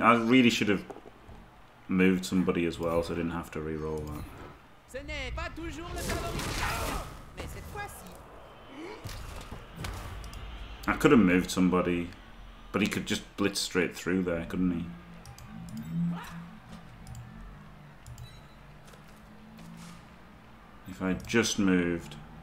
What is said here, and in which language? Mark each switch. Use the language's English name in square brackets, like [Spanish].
[English] I really should have moved somebody as well, so I didn't have to re-roll that. [French] Ce n'est pas toujours le favori, mais cette fois-ci. [English] I could have moved somebody, but he could just blitz straight through there, couldn't he? If I just moved.